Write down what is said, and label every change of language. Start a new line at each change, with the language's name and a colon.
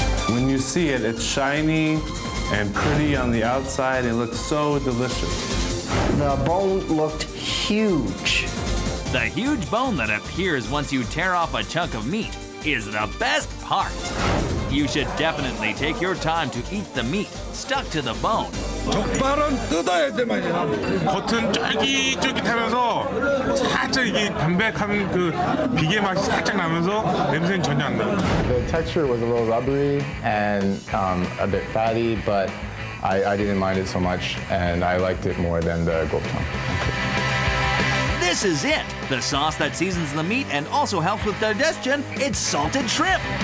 English: When you see it, it's shiny and pretty on the outside. It looks so delicious. The bone looked huge. The huge bone that appears once you tear off a chunk of meat is the best part. You should definitely take your time to eat the meat stuck to the bone.
Korean: 족발은 뜯어야 돼, 맞아요. 겉은 쫄깃쫄깃하면서 살짝 이게 담백한 그 비계 맛이 살짝 나면서 냄새는 전혀 안 나요.
English: The texture was a little rubbery and a bit fatty, but I didn't mind it so much, and I liked it more than the gopchang. This is it, the sauce that seasons the meat and also helps with digestion. It's salted shrimp.